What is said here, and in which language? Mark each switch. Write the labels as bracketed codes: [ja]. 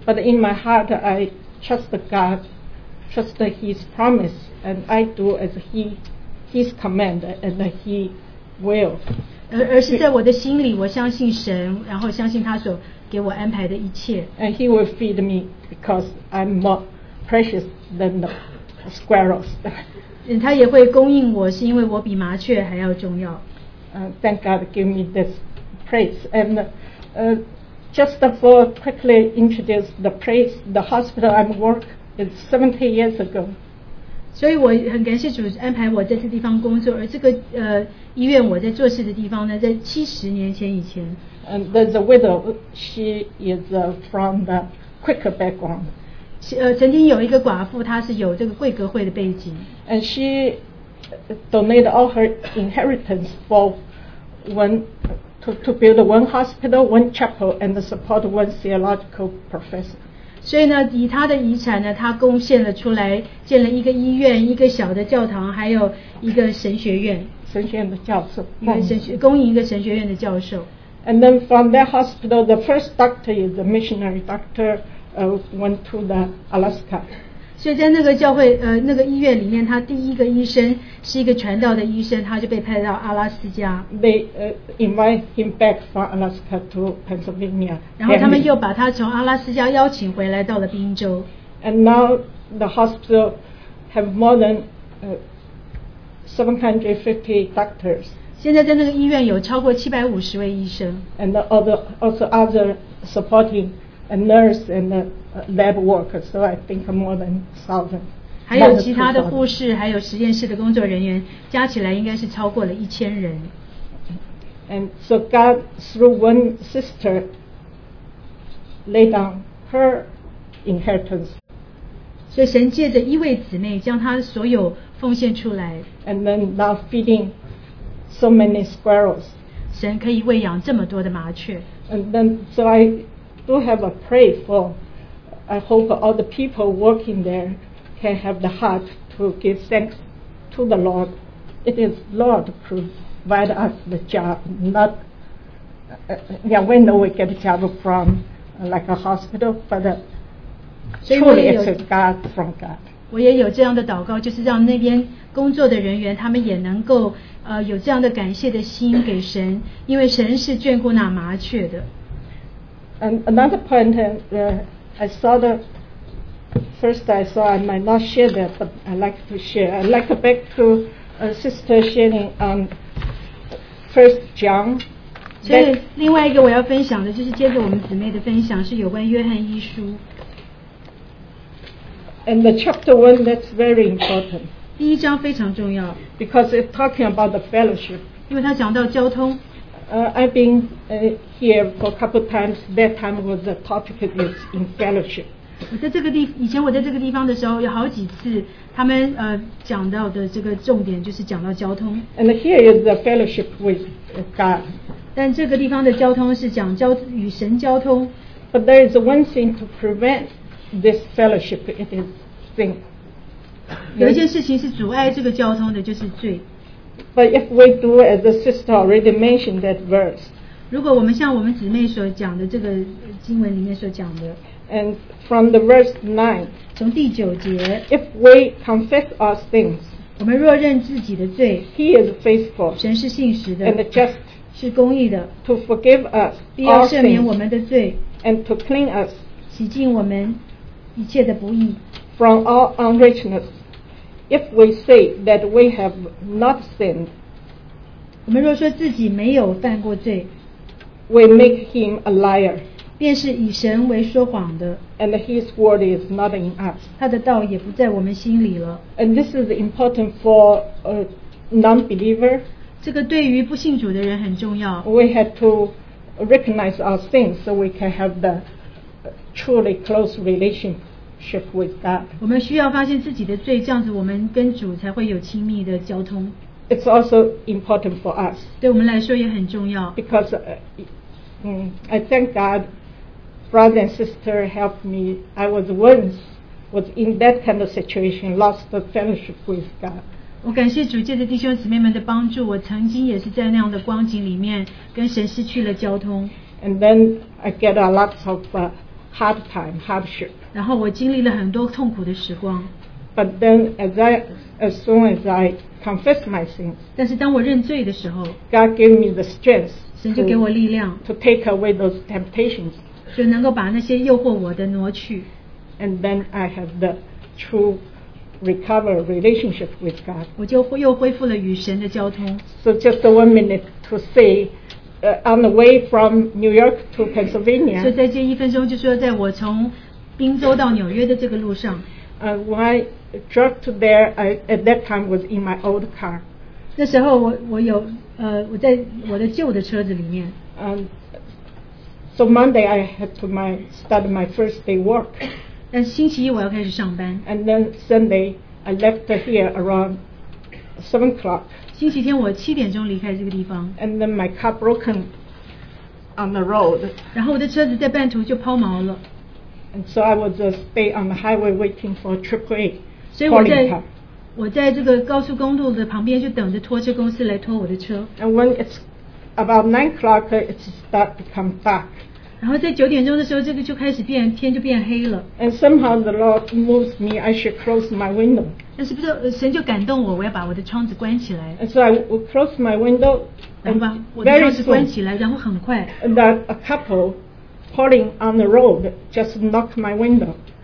[en] But in my heart, I trust God, trust His promise, and I do as His command and He will. [zh] 而是在我的心里，我相信神，然后相信他所给我安排的一切。 [en] And He will feed me because I'm more precious than the squirrels. [zh] 他也会供应我，是因为我比麻雀还要重要。 [en] Thank God, give me this praise. And just for quickly introduce the praise, the hospital I'm work is 70 years ago. [zh] 所以我很感谢主安排我在这地方工作，而这个医院我在做事的地方呢，在70年前以前。 [en] And there's a widow. She is from the Quaker background. [zh] 曾经有一个寡妇，她是有这个贵格会的背景。 [en] And she donated all her inheritance for one to build one hospital, one chapel, and support one theological professor. [zh] 所以呢，以她的遗产呢，她贡献了出来，建了一个医院、一个小的教堂，还有一个神学院。神学院的教授。供应一个神学院的教授。 [en] And then from that hospital, the first doctor is the missionary doctor, went to the Alaska. [zh] 所以在那个教会那个医院里面，他第一个医生是一个传道的医生，他就被派到阿拉斯加。 [en] They invite him back from Alaska to Pennsylvania. [zh] 然后他们又把他从阿拉斯加邀请回来到了宾州。 [en] And now the hospital have more than 750 doctors. [zh] 现在在那个医院有超过750位医生 [en] and also other supporting a nurse and a lab worker, so I think more than 1,000. [zh] 还有其他的护士，还有实验室的工作人员，加起来应该是超过了1,000人。 [en] And so God, through one sister, laid down her inheritance. [zh] 所以神借着一位姊妹将她所有奉献出来。 [en] And then now feeding. So many squirrels. [zh] 神可以喂养这么多的麻雀。 [en] And then, so I do have a pray for. I hope all the people working there can have the heart to give thanks to the Lord. It is Lord provide us the job, not yeah. We know we get a job from like a hospital, but truly it's a God from God. [zh] 我也有这样的祷告，就是让那边工作的人员他们也能够。有这样的感谢的心给神，因为神是眷顾那麻雀的。 [en] And another point, I saw the first I saw I might not share that, but I like to share. I like back to Sister sharing on First John. [zh] 所以另外一个我要分享的就是接着我们姊妹的分享是有关约翰一书。 [en] And the chapter one that's very important. [zh] 第一章非常重要 [en] because it's talking about the fellowship. [zh] 因为他讲到交通。 [en] I've been here for a couple of times. That time was the topic is in fellowship. [zh] 以前我在这个地方的时候，有好几次他们讲到的这个重点就是讲到交通。 [en] And here is the fellowship with God. [zh] 但这个地方的交通是讲与神交通。 [en] But there is one thing to prevent this fellowship. It is sin. [zh] 有一件事情是阻碍这个交通的，就是罪。 [en] But if we do as the sister already mentioned that verse, [zh] 如果我们像我们姊妹所讲的这个经文里面所讲的 [en] ，and from the verse 9, [zh] 从第九节 [en] ，if we confess our sins, [zh] 我们若认自己的罪 [en] ，he is faithful, [zh] 神是信实的 [en] ，and just [zh] 是公义的 [en] ，to forgive us, [zh] 必要赦免我们的罪 [en] ，and to clean us, [zh] 洗净我们一切的不义。 [en] From all unrighteousness, if we say that we have not sinned, [zh] 我们若说自己没有犯过罪 [en] we make him a liar, [zh] 便是以神为说谎的 [en] and his word is not in us, [zh] 他的道也不在我们心里了 [en] and this is important for a non-believer, [zh] 这个对于不信主的人很重要 [en] we have to recognize our sins so we can have the truly close relationship. [zh] 我们需要发现自己的罪，这样子我们跟主才会有亲密的交通。 [en] It's also important for us. [zh] 对我们来说也很重要。 [en] Because, I thank God, brother and sister helped me. I was once was in that kind of situation, lost the fellowship with God. [zh] 我感谢主借着弟兄姊妹们的帮助，我曾经也是在那样的光景里面跟神失去了交通。 [en] And then I get a lot of hard time, hardship. [zh] 然后我经历了很多痛苦的时光。 [en] But then as soon as I confess my sins, [zh] 但是当我认罪的时候， [en] God gave me the strength, [zh] 神就给我力量， [en] to take away those temptations, [zh] 就能够把那些诱惑我的挪去。 [en] And then I have the true recover relationship with God. [zh] 我就又恢复了与神的交通。 [en] So just 1 minute to say, on the way from New York to Pennsylvania. [zh] 所以在这一分钟就说在我从宾州到纽约的这个路上。 [en] When I drove to there, I at that time was in my old car. [zh] 那时候我在我的旧的车子里面。 [en] So Monday I had to start my first day work. [zh] 但星期一我要开始上班。 [en] And then Sunday I left here around 7 o'clock. [zh] 星期天我七点钟离开这个地方。 [en] And then my car broken on the road. [zh] 然后我的车子在半途就抛锚了。 [en] And so I was just stay on the highway waiting for AAA calling car. [zh] 所以我在这个高速公路的旁边就等着拖车公司来拖我的车。 [en] And when it's about 9 o'clock, it start become dark. [zh] 然后在九点钟的时候，这个就开始变天就变黑了。 [en] And somehow the Lord moves me, I should close my window. [zh] 但是不是神就感动我，我要把我的窗子关起来。 [en] And so I will close my window. [zh] 然后把我的窗子关起来，然后很快。 [en] And that a couple. Calling on the road, just knock my window.